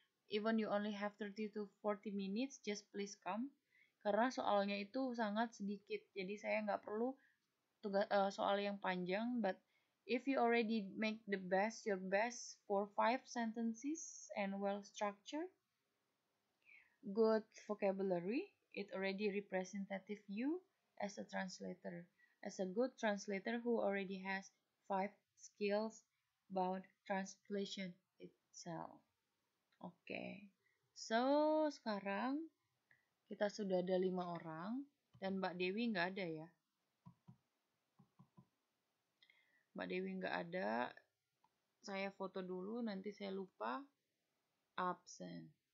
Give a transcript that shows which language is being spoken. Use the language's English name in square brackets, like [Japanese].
[English] Even you only have 30 to 40 minutes, just please come. [Indonesian] Karena soalnya itu sangat sedikit, jadi saya nggak perlu soal yang panjang. [English] But if you already make the best, your best for 5 sentences and well-structured, good vocabulary, it already representative you as a translator. As a good translator who already has 5 skills about translation itself. Oke, okay. [Indonesian] So sekarang kita sudah ada 5 orang, dan Mbak Dewi nggak ada ya. Mbak Dewi nggak ada, saya foto dulu, nanti saya lupa, absent.